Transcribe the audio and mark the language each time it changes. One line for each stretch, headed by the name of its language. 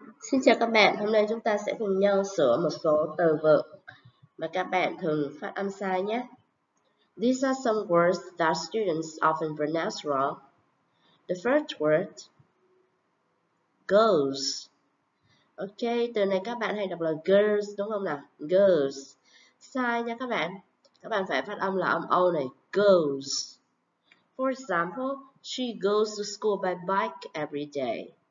Vietnamese: Xin chào các bạn, hôm nay chúng ta sẽ cùng nhau sửa một số từ vựng mà các bạn thường phát âm sai nhé.
English: These are some words that students often pronounce wrong. The first word, girls.
Vietnamese: Ok, từ này các bạn hay đọc là girls đúng không nào? Girls. Sai nha các bạn. Các bạn phải phát âm là âm O này, girls.
English: For example, she goes to school by bike every day.